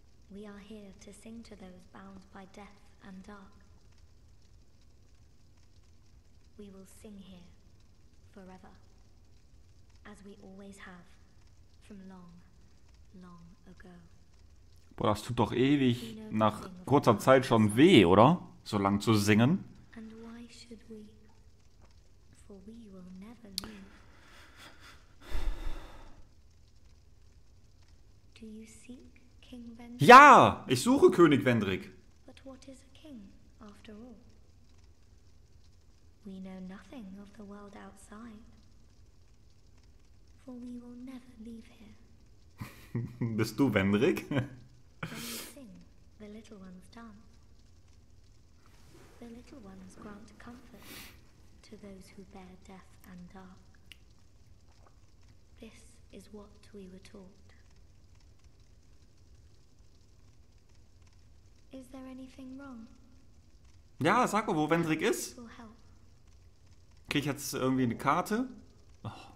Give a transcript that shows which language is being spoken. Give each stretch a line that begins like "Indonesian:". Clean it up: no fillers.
English: We are here to sing to those bound by death and dark. We will sing here forever. As we always have from long, long ago.
German: Boah, das tut doch ewig nach kurzer Zeit schon weh, oder? So lang zu singen.
English: And why should we? For we will never leave. Do you see?
German: Ja, ich suche König Vendrick.
English: But what is a king, after all? We know nothing of the world outside. For we will never leave here.
German: Bist du Vendrick?
English: When we sing, the little ones dance. The little ones grant comfort to those who bear death and dark. This is what we were taught. Is there anything wrong?
German: Ja, sag mal, wo Vendrick ist. Krieg ich jetzt irgendwie eine Karte? Oh.